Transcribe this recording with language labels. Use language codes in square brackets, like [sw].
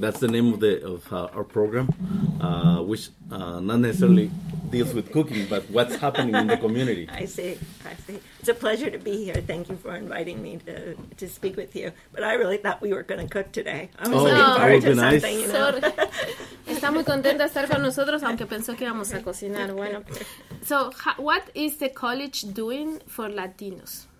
[en] That's the name of our program, which not necessarily deals with cooking, but what's happening in the community. I see. It's a pleasure to be here. Thank you for inviting me to speak with you. But I really thought we were going to cook today. That would be nice. You know? [es] Está muy contenta de estar con nosotros, aunque pensó que íbamos a cocinar. Bueno. [en] So, what is the college doing for Latinos?